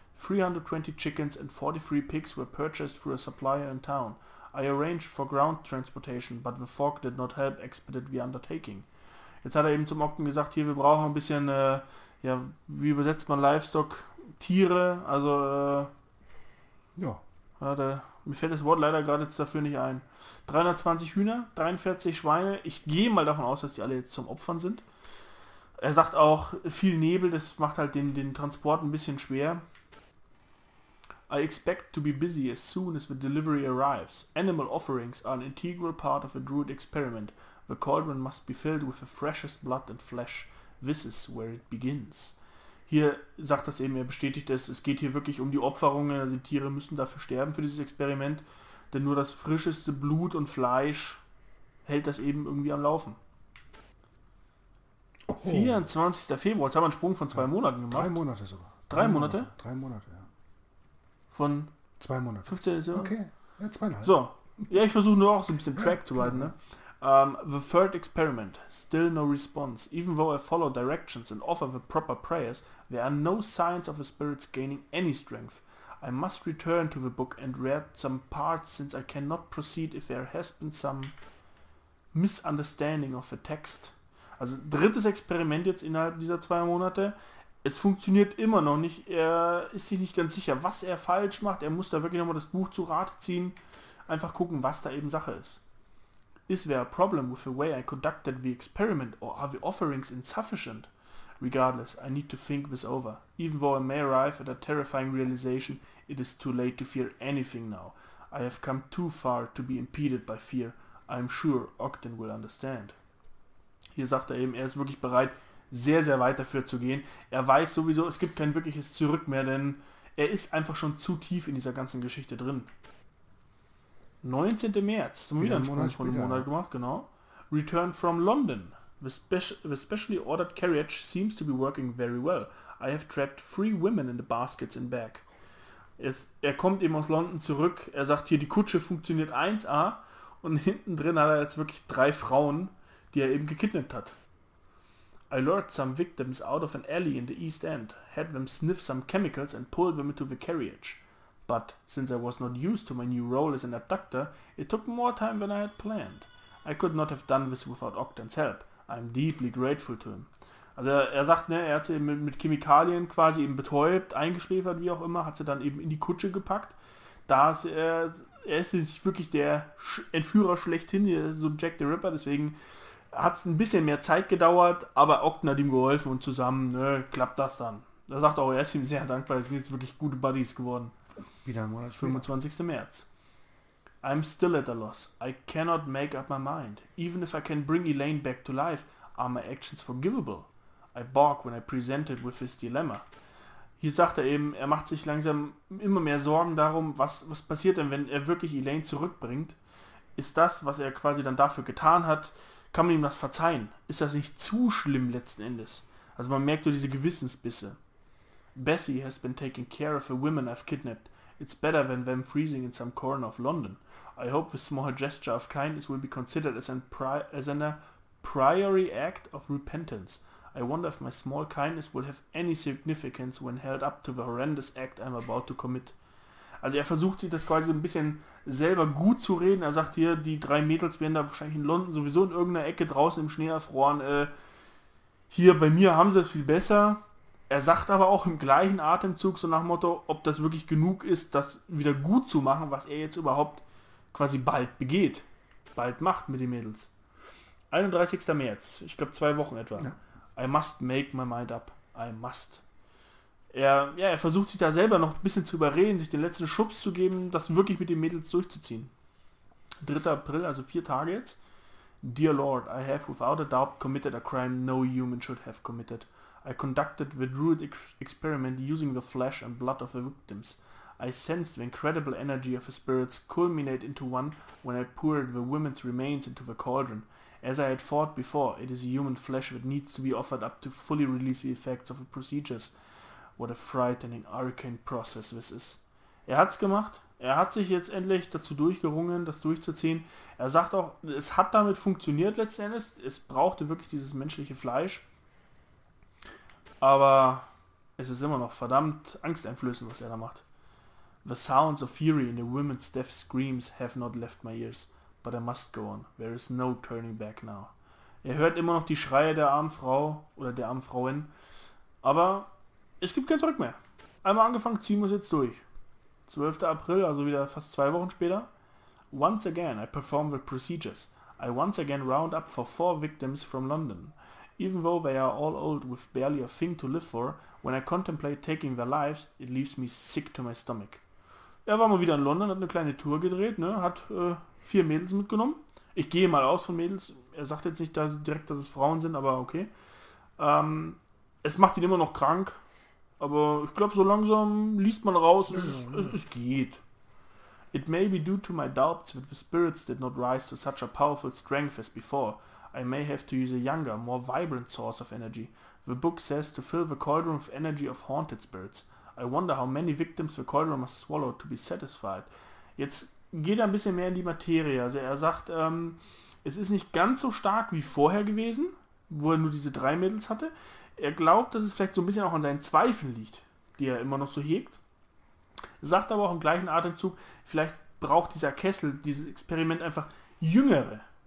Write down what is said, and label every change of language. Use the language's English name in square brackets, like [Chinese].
[English] 320 chickens and 43 pigs were purchased through a supplier in town. I arranged for ground transportation, but the fog did not help expedite the undertaking. [German] Jetzt hat er eben zum Ogden gesagt, hier, wir brauchen ein bisschen, ja, wie übersetzt man Livestock? Tiere, also, ja. Warte, mir fällt das Wort leider gerade jetzt dafür nicht ein. 320 Hühner, 43 Schweine, ich gehe mal davon aus, dass die alle jetzt zum Opfern sind. Er sagt auch, viel Nebel, das macht halt den Transport ein bisschen schwer. [English] I expect to be busy as soon as the delivery arrives. Animal offerings are an integral part of a druid experiment. The cauldron must be filled with the freshest blood and flesh. This is where it begins. [German] Hier sagt das eben, er bestätigt es, es geht hier wirklich um die Opferungen, also die Tiere müssen dafür sterben für dieses Experiment, denn nur das frischeste Blut und Fleisch hält das eben irgendwie am Laufen. Oho. 24. Februar, jetzt haben wir einen Sprung von 2 Monaten gemacht. 3 Monate sogar. Drei Monate? 3 Monate, ja. Von? 2 Monate. 15. Okay, ja, 2,5. So, ja, ich versuche nur auch so ein bisschen Track zu halten, ne? [English] The third experiment, still no response. Even though I follow directions and offer the proper prayers, there are no signs of the spirits gaining any strength. I must return to the book and read some parts since I cannot proceed if there has been some misunderstanding of the text. [German] Also drittes Experiment jetzt innerhalb dieser 2 Monate. Es funktioniert immer noch nicht. Er ist sich nicht ganz sicher, was er falsch macht. Er muss da wirklich nochmal das Buch zu Rate ziehen. Einfach gucken, was da eben Sache ist. [English] Is there a problem with the way I conducted the experiment or are the offerings insufficient? Regardless, I need to think this over. Even though I may arrive at a terrifying realization, it is too late to fear anything now. I have come too far to be impeded by fear. I am sure Ogden will understand. [German] Hier sagt er eben, er ist wirklich bereit, sehr, sehr weit dafür zu gehen. Er weiß sowieso, es gibt kein wirkliches Zurück mehr, denn er ist einfach schon zu tief in dieser ganzen Geschichte drin. 19. März, zum Wiederansprung von einem Monat gemacht, genau. [English] Return from London. The specially ordered carriage seems to be working very well. I have trapped 3 women in the baskets in back. [German] Er kommt eben aus London zurück. Er sagt hier, die Kutsche funktioniert 1A und hinten drin hat er jetzt wirklich 3 Frauen, die er eben gekidnappt hat. [English] I lured some victims out of an alley in the East End, had them sniff some chemicals and pulled them into the carriage. But since I was not used to my new role as an abductor, it took more time than I had planned. I could not have done this without Ogden's help. I'm deeply grateful to him. [German] Also er sagt, ne, er hat sie mit Chemikalien quasi eben betäubt, eingeschläfert, wie auch immer, hat sie dann eben in die Kutsche gepackt. Er ist nicht wirklich der Entführer schlechthin, so Jack the Ripper, deswegen hat es ein bisschen mehr Zeit gedauert, aber Ogden hat ihm geholfen und zusammen, ne, klappt das dann. Da sagt auch, er ist ihm sehr dankbar, sind jetzt wirklich gute Buddies geworden. Wieder ein Monat [English] 25. März. I'm still at a loss. I cannot make up my mind. Even if I can bring Elaine back to life, are my actions forgivable? I balk when I presented with his dilemma. [German] Hier sagt er eben, er macht sich langsam immer mehr Sorgen darum, was passiert denn, wenn er wirklich Elaine zurückbringt? Ist das, was er quasi dann dafür getan hat, kann man ihm das verzeihen? Ist das nicht zu schlimm letzten Endes? Also man merkt so diese Gewissensbisse. [English] Bessie has been taking care of the women I've kidnapped. It's better than them freezing in some corner of London. I hope this small gesture of kindness will be considered as a priori act of repentance. I wonder if my small kindness will have any significance when held up to the horrendous act I'm about to commit. [German] Also er versucht sich das quasi ein bisschen selber gut zu reden. Er sagt hier, die drei Mädels werden da wahrscheinlich in London sowieso in irgendeiner Ecke draußen im Schnee erfroren. Hier bei mir haben sie es viel besser. Er sagt aber auch im gleichen Atemzug so nach dem Motto, ob das wirklich genug ist, das wieder gut zu machen, was er jetzt überhaupt quasi bald begeht, bald macht mit den Mädels. 31. März, ich glaube 2 Wochen etwa. Ja. [English] I must make my mind up. I must. [German] Er versucht sich da selber noch ein bisschen zu überreden, sich den letzten Schubs zu geben, das wirklich mit den Mädels durchzuziehen. 3. April, also 4 Tage jetzt. [English] Dear Lord, I have without a doubt committed a crime no human should have committed. I conducted the druid experiment using the flesh and blood of the victims. I sensed the incredible energy of the spirits culminate into one when I poured the women's remains into the cauldron. As I had thought before, it is human flesh that needs to be offered up to fully release the effects of the procedures. What a frightening arcane process this is. [German] Er hat's gemacht. Er hat sich jetzt endlich dazu durchgerungen, das durchzuziehen. Er sagt auch, es hat damit funktioniert letzten Endes. Es brauchte wirklich dieses menschliche Fleisch. Aber es ist immer noch verdammt angsteinflößend, was er da macht. [English] The sounds of fury in the women's death screams have not left my ears, but I must go on. There is no turning back now. [German] Er hört immer noch die Schreie der armen Frau oder der armen Frauin, aber es gibt kein Zurück mehr. Einmal angefangen, ziehen wir es jetzt durch. 12. April, also wieder fast 2 Wochen später. [English] Once again I perform the procedures. I once again round up for 4 victims from London. Even though they are all old with barely a thing to live for, when I contemplate taking their lives, it leaves me sick to my stomach. [German] Er war mal wieder in London, hat eine kleine Tour gedreht, ne? Hat 4 Mädels mitgenommen. Ich gehe mal aus von Mädels. Er sagt jetzt nicht direkt, dass es Frauen sind, aber okay. Es macht ihn immer noch krank, aber ich glaube, so langsam liest man raus, es geht. [English] It may be due to my doubts that the spirits did not rise to such a powerful strength as before. I may have to use a younger, more vibrant source of energy. The book says to fill the cauldron with energy of haunted spirits. I wonder how many victims the cauldron must swallow to be satisfied. [German] Jetzt geht er ein bisschen mehr in die Materie. Also er sagt, es ist nicht ganz so stark wie vorher gewesen, wo er nur diese 3 Mädels hatte. Er glaubt, dass es vielleicht so ein bisschen auch an seinen Zweifeln liegt, die er immer noch so hegt. Sagt aber auch im gleichen Atemzug, vielleicht braucht dieser Kessel, dieses Experiment einfach jüngere.